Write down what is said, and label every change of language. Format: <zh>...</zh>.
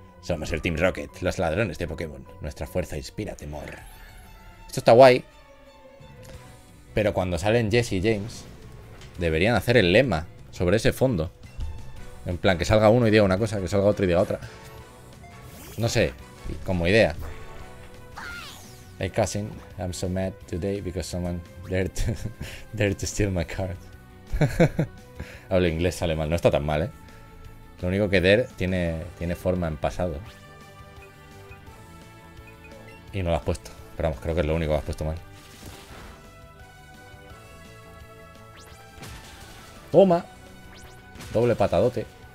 <es>Somos el Team Rocket, los ladrones de Pokémon. Nuestra fuerza inspira temor. Esto está guay. Pero cuando salen Jesse y James, deberían hacer el lema sobre ese fondo. En plan, que salga uno y diga una cosa, que salga otro y diga otra. No sé, como idea.</es> <en>Hey cousin, I'm so mad today because someone dared to steal my card.</en> <es>Hablo inglés, sale mal. No está tan mal, ¿eh? Lo único que dare tiene forma en pasado. Y no lo has puesto. Pero vamos, creo que es lo único que has puesto mal. Toma. Doble patadote.</es>